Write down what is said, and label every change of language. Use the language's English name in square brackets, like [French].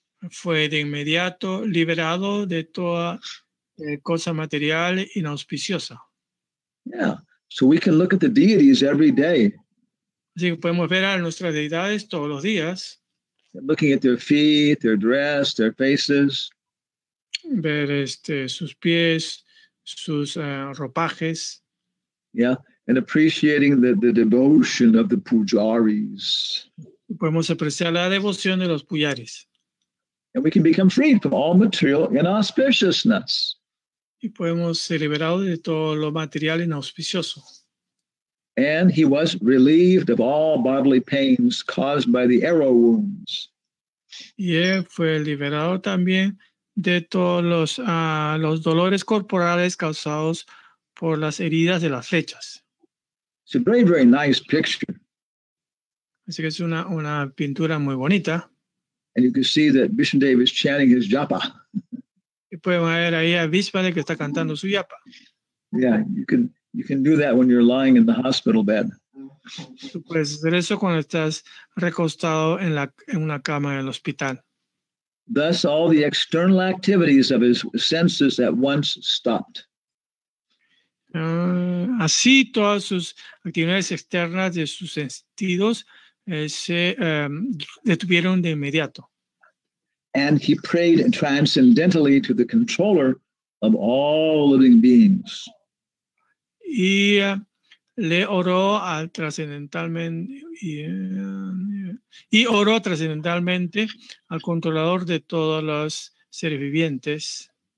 [Spanish] Fue de inmediato liberado de toda cosa material inauspiciosa. [English] Yeah, so we can look at the deities every day. [Spanish] Así que podemos ver a nuestras deidades todos los días. [English] Looking at their feet, their dress, their faces. [Spanish] Ver sus pies, sus ropajes. [English] Yeah, and appreciating the devotion of the pujaris. [Spanish] Podemos apreciar la devoción de los pujaris. [English] And we can become free from all material inauspiciousness. [Spanish] Y podemos ser liberados de todo lo material inauspicioso. [English] And he was relieved of all bodily pains caused by the arrow wounds. [Spanish] Y él fue liberado también de todos los dolores corporales causados por las heridas de las flechas. [English] It's a very, very nice picture. [Spanish] Así que es una pintura muy bonita. [English] And you can see that Vishnudev is chanting his japa. [Spanish] Y pueden ver ahí a Vishnudev que está cantando su japa. [English] Yeah, you can do that when you're lying in the hospital bed. [Spanish] Tú puedes hacer eso cuando estás recostado en una cama del hospital. [English] Thus, all the external activities of his senses at once stopped. [Spanish] Así, todas sus actividades externas de sus sentidos se detuvieron de inmediato. [English] And he prayed transcendentally to the controller of all living beings. [Spanish] Y le oró al trascendentalmente y oró trascendentalmente al controlador de todos los seres vivientes.